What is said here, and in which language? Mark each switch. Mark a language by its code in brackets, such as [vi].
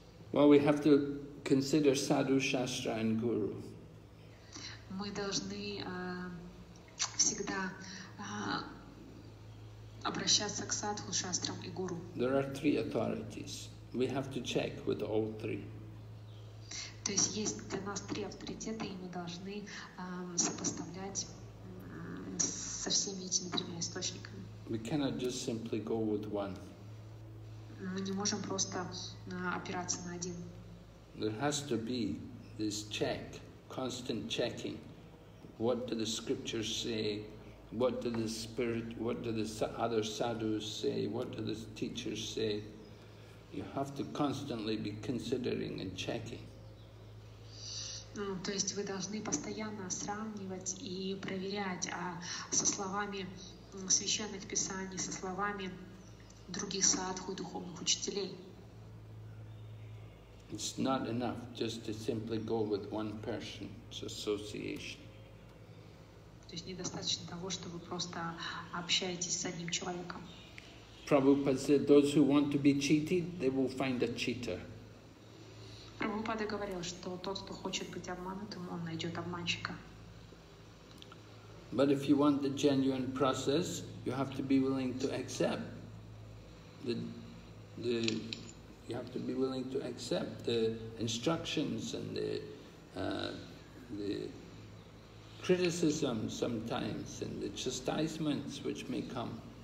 [en] Well, we have to consider Sadhu, Shastra and Guru. [ru] Мы должны всегда обращаться к Садху, Шастрам и Гуру. [en] There are three authorities. We have to check with all three. [ru] То есть есть для нас три авторитета, и мы должны сопоставлять со всеми этими тремя источниками. [en] We cannot just simply go with one. [ru] Мы не можем просто опираться на один. [en] There has to be this check, constant checking. What do the scriptures say? What do the spirit, what do the other sadhus say? What do the teachers say? You have to constantly be considering and checking. [ru] То есть вы должны постоянно сравнивать и проверять, а со словами священных писаний, со словами других садху, духовных учителей. [en] It's not enough just to simply go with one person's association. [ru] То есть недостаточно того, что вы просто общаетесь с одним человеком. [en] Prabhupada said, those who want to be cheated, they will find a cheater. [ru] Прабхупада говорил, что тот, кто хочет быть обманутым, он найдет обманщика. [en] But if you want the genuine process, you have to be willing to accept you have to be willing to accept the instructions and the criticism sometimes and the chastisements which may come.